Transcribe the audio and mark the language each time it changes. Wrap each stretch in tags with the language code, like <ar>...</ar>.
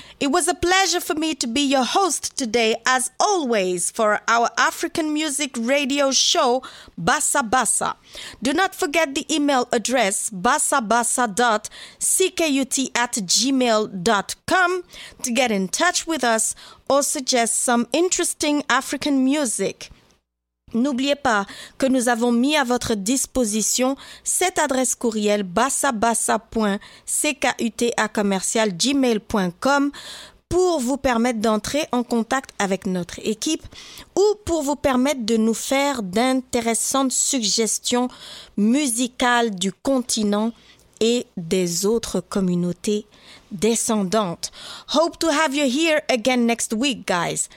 <en>was a pleasure for me to be your host today, as always, for our African music radio show, Bassa Bassa. Do not forget the email address, bassabassa.ckut@gmail.com, to get in touch with us or suggest some interesting African music.</en> <fr>N'oubliez pas que nous avons mis à votre disposition cette adresse courriel bassabassa.ckut@gmail.com pour vous permettre d'entrer en contact avec notre équipe ou pour vous permettre de nous faire d'intéressantes suggestions musicales du continent et des autres communautés descendantes.</fr> <en>Hope to have you here again next week, guys.</en>